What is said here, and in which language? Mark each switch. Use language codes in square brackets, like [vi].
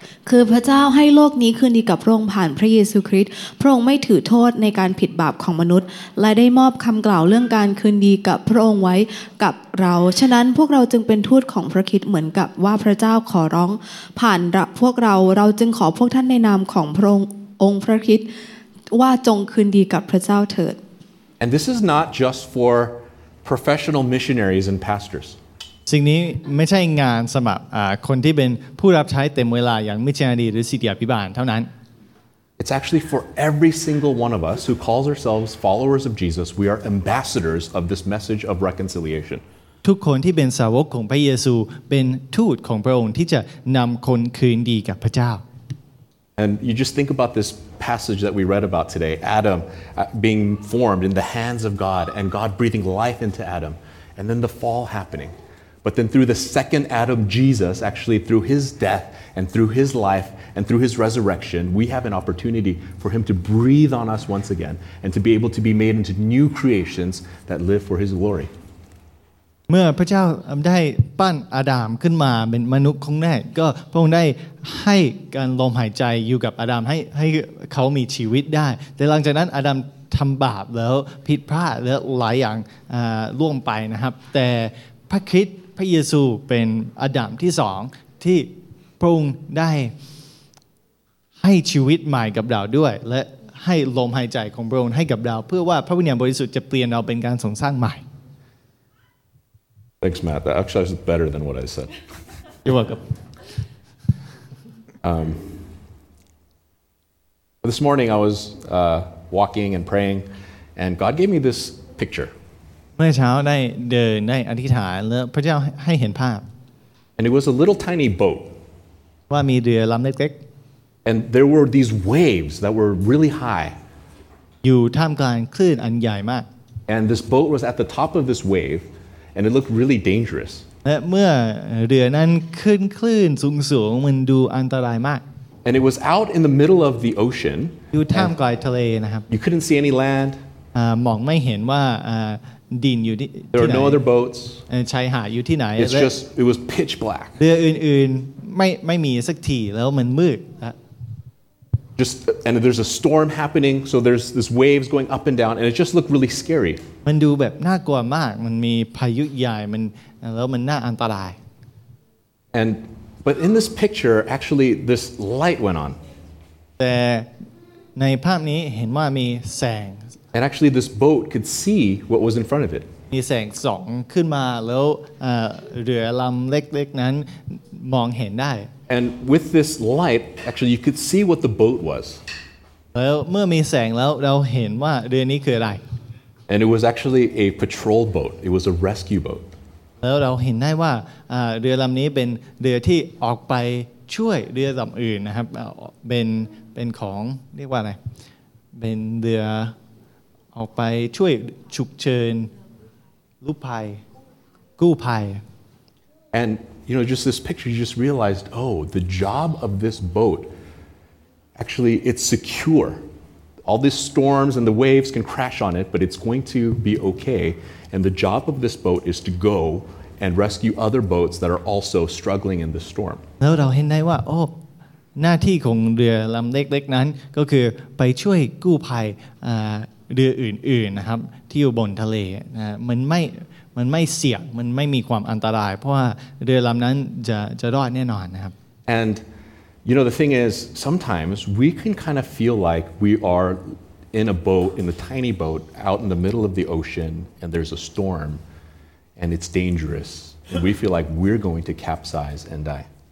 [th] คือพระเจ้าให้โลกนี้คืนดีกับพระองค์ผ่านพระเยซูคริสต์พระองค์ไม่ถือโทษในการผิดบาปของมนุษย์และได้มอบคำกล่าวเรื่องการคืนดีกับพระองค์ไว้กับเราฉะนั้นพวกเราจึงเป็นทูตของพระคริสต์เหมือนกับว่าพระเจ้าขอร้องผ่านพวกเราเราจึงขอพวกท่านในนามของพระองค์พระคริสต์ว่าจงคืนดีกับพระเจ้าเถิด [en] And this is not just for professional missionaries and pastors [th] สิ่งนี้ไม่ใช่งานสำหรับคนที่เป็นผู้รับใช้เต็มเวลาอย่างมิชชันนารีหรือศิษยาภิบาลเท่านั้น [en] It's actually for every single one of us who calls ourselves followers of Jesus. We are ambassadors of this message of reconciliation. [th] ทุกคนที่เป็นสาวกของพระเยซูเป็นทูตของพระองค์ที่จะนำคนคืนดีกับพระเจ้า [en] And you just think about this passage that we read about today. Adam being formed in the hands of God and God breathing life into Adam and then the fall happening. But then through the second Adam, Jesus, actually through his death and through his life and through his resurrection, we have an opportunity for him to breathe on us once again and to be able to be made into new creations that live for his glory. [th] เมื่อพระเจ้าได้ปั้นอาดัมขึ้นมาเป็นมนุษย์ครั้งแรกก็พระองค์ได้ให้การลมหายใจอยู่กับอาดัมให้เขามีชีวิตได้แต่หลังจากนั้นอาดัมทำบาปแล้วผิดพลาดแล้วหลายอย่างล่วงไปนะครับแต่พระคริสต์พระเยซูเป็นอดัมที่สองที่พระองค์ได้ให้ชีวิตใหม่กับเราด้วยและให้ลมหายใจของพระองค์ให้กับเราเพื่อว่าพระวิญญาณบริสุทธิ์จะเปลี่ยนเราเป็นการสร้างใหม่ [en] Thanks Matt that actually is better than what I said You're welcome This morning I was walking and praying and God gave me this picture [th] เมื่อเช้าได้เดินได้อธิษฐานแล้วพระเจ้าให้เห็นภาพ [en] And it was a little tiny boat [th] ว่ามีเรือลำเล็ก [en] ๆ And there were these waves that were really high [th] อยู่ท่ามกลางคลื่นอันใหญ่มาก [en] And this boat was at the top of this wave and it looked really dangerous [th] และเมื่อเรือนั้นขึ้นคลื่นสูงๆมันดูอันตรายมาก [en] And it was out in the middle of the ocean [th] อยู่ท่ามกลางทะเลนะครับ [en] You couldn't see any land [th] มองไม่เห็นว่า [en] There are no other boats. And [th] ชายหาดอยู่ที่ไหน [en] It's just it was pitch black. [th] เรืออื่นๆไม่มีสักทีแล้วมันมืด [en] Just and there's a storm happening, so there's this waves going up and down, and it just looked really scary. [th] มันดูแบบน่ากลัวมากมันมีพายุใหญ่มันแล้วมันน่าอันตราย [en] And but in this picture, actually, this light went on. [th] แต่ ในภาพนี้เห็นว่ามีแสง [en] And actually this boat could see what was in front of it [th] มีแสงส่องขึ้นมาแล้วเรือลำเล็กๆนั้นมองเห็นได้ [en] And with this light actually you could see what the boat was [th] แล้วเมื่อมีแสงแล้วเราเห็นว่าเรือนี้คืออะไร [en] And it was actually a patrol boat it was a rescue boat [th] แล้วเราเห็นได้ว่าเรือลำนี้เป็นเรือที่ออกไปช่วยเรือลำอื่นนะครับเป็นของเรียกว่าอะไรเป็นเรือออกไปช่วยฉุกเฉินลุกภัยกู้ภัย [en] And you know just this picture you just realized oh the job of this boat actually it's secure all these storms and the waves can crash on it but it's going to be okayAnd the job of this boat is to go and rescue other boats that are also struggling in the storm. [th] แล้วเราเห็นได้ว่าโอ้หน้าที่ของเรือลำเล็กๆนั้นก็คือไปช่วยกู้ภัยเรืออื่นๆนะครับที่อยู่บนทะเลนะมันไม่เสี่ยงมันไม่มีความอันตรายเพราะว่าเรือลำนั้นจะรอดแน่นอนนะครับ [en] And you know the thing is sometimes we can kind of feel like we areIn a boat, in the tiny boat, out in the middle of the ocean, and there's a storm, and it's dangerous. And we feel like we're going to capsize and die.